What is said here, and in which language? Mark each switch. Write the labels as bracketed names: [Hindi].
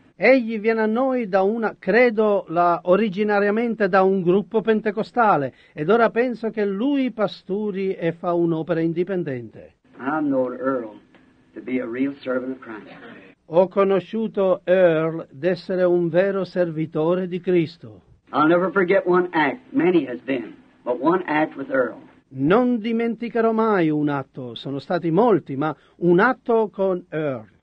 [Italian] Egli viene a noi da una, credo, la originariamente da un gruppo pentecostale, ed ora penso che lui pasturi e fa un'opera indipendente. [English] I've known Earl to be a real servant of Christ. [Italian] Ho conosciuto Earl d'essere un vero servitore di Cristo. [English] I'll never forget one act. Many has been, but one act with Earl. [Italian] Non dimenticherò mai un atto, sono stati molti, ma un atto con Earl.